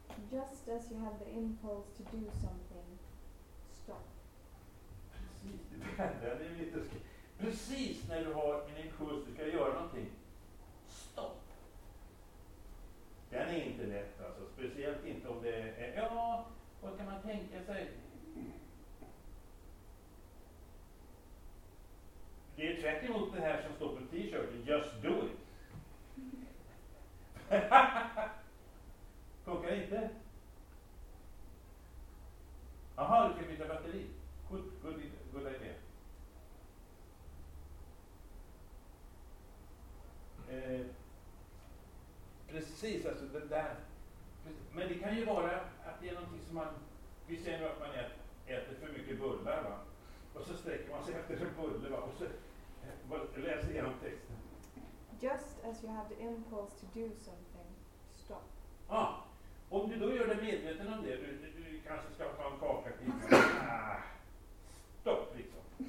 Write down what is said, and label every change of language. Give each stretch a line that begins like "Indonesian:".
English: Just as you have the impulse to do something, stop.
Swedish: Precis. Det är lite skrivet. Precis när du har en impuls, du ska göra någonting. Stopp. Den är inte lätt, alltså. Speciellt inte om det är, ja, vad kan man tänka sig? Det är tvärt emot det här som står på t-shirten,
English: just do it.
Swedish: Funkar inte? Aha, du kan byta batteri.
English: Good idea.
Swedish: Precis, alltså det där. Men det kan ju vara att det är någonting som man, vi ser nu att man äter för mycket bullar, va? Och så sträcker man sig efter en bulle, va? Och så läser igenom texten.
English: Just as you have the impulse to do something, stop.
Swedish: Ja, ah, om du då gör dig medveten om det, du kanske ska ta en kaka till. Ah, stopp liksom.